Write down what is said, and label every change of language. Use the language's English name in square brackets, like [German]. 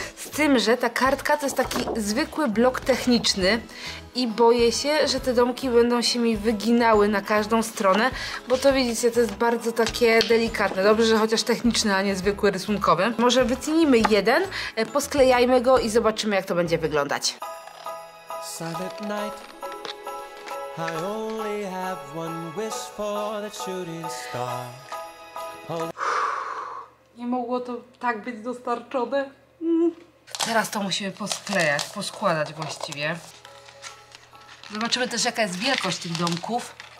[Polish] Z tym, że ta kartka to jest taki zwykły blok techniczny i boję się, że te domki będą się mi wyginały na każdą stronę, bo to widzicie, to jest bardzo takie delikatne. Dobrze, że chociaż techniczny, a nie zwykły rysunkowy. Może wycinimy jeden, posklejajmy go i zobaczymy, jak to będzie wyglądać. [English] Silent night. I only have one wish for the shooting star. [Polish] Nie mogło to tak być dostarczone. Teraz to musimy posklejać, poskładać właściwie. Zobaczymy też, jaka jest wielkość tych domków.